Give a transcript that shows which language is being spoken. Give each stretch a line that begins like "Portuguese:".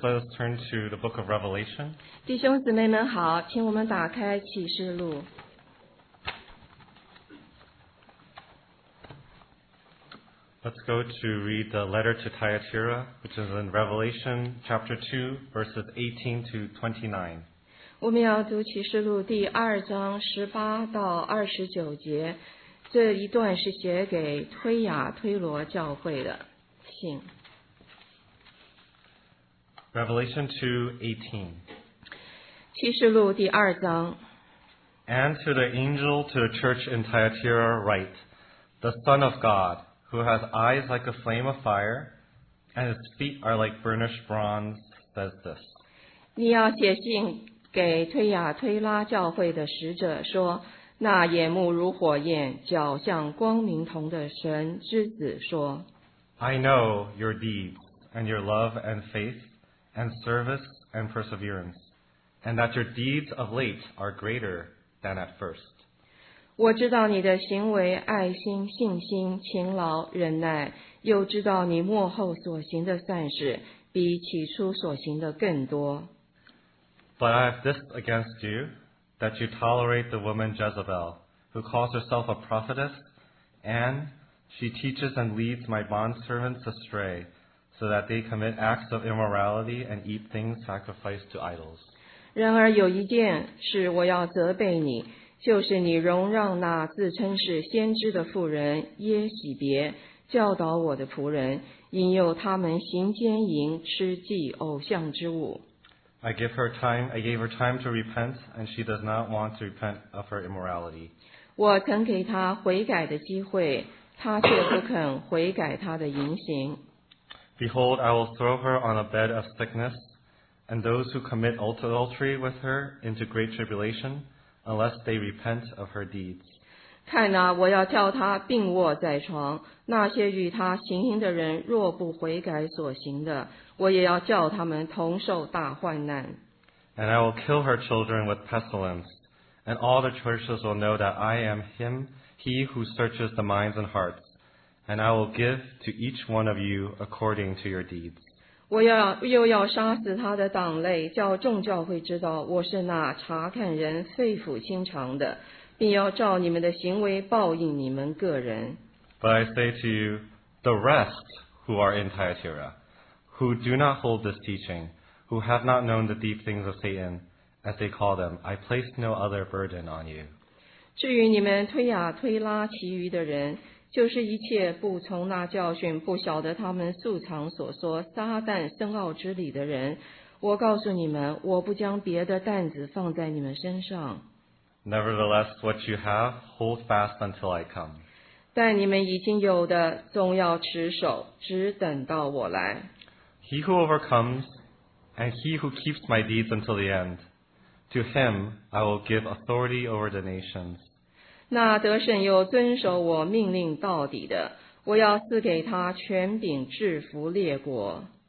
English: Let us turn to the book of Revelation.
Chinese: 弟兄姊妹们好，请我们打开启示录。
English: Let's go to read the letter to Thyatira, which is in Revelation chapter 2, verses 18 to 29.
Chinese: 我们要读启示录第二章十八到二十九节，这一段是写给推雅推罗教会的信。
English: Revelation 2:18.
Chinese: 启示录第二章。
English: And to the angel to the church in Thyatira write, The Son of God, who has eyes like a flame of fire, and his feet are like burnished bronze, says this.
Chinese: 你要写信给推雅推拉教会的使者说，那眼目如火焰，脚像光明铜的神之子说。
English: I know your deeds and your love and faith. And service and perseverance, and that your deeds of late are greater than at first.
Chinese: 我知道你的行为、爱心、信心、勤劳、忍耐，又知道你末后所行的善事比起初所行的更多。
English: But I have this against you, that you tolerate the woman Jezebel, who calls herself a prophetess, and she teaches and leads my bondservants astray. So that they commit acts of immorality and eat things sacrificed to idols.
Chinese: 然而有一件事我要责备你，就是你容让那自称是先知的妇人耶洗别教导我的仆人，引诱他们行奸淫，吃祭偶像之物。
English: I gave her time to repent, and she does not want to repent of her immorality.
Chinese: 我曾给她悔改的机会，她却不肯悔改她的淫行。
English: Behold, I will throw her on a bed of sickness, and those who commit adultery with her into great tribulation, unless they repent of her deeds.
Chinese: 看啊，我要叫她病卧在床，那些与她行淫的人若不悔改所行的，我也要叫他们同受大患难。
English: And I will kill her children with pestilence, and all the churches will know that I am him, he who searches the minds and hearts. And I will give to each one of you according to your deeds.
Chinese: 我要又要杀死他的党类，叫众教会知道我是那查看人肺腑心肠的，并要照你们的行为报应你们个人。
English: But I say to you, the rest who are in Thyatira, who do not hold this teaching, who have not known the deep things of Satan, as they call them, I place no other burden on you.
Chinese: 至于你们推雅推拉其余的人。就是一切不从那教训不晓得他们素常所说撒旦深奥之理的人我告诉你们我不将别的担子放在你们身上
English: Nevertheless, what you have, hold fast until I come.
Chinese: 但你们已经有的总要持守只等到我来
English: He who overcomes and he who keeps my deeds until the end to him I will give authority over the nations.
Chinese: 那得胜又遵守我命令到底的，我要赐给他权柄制服列国。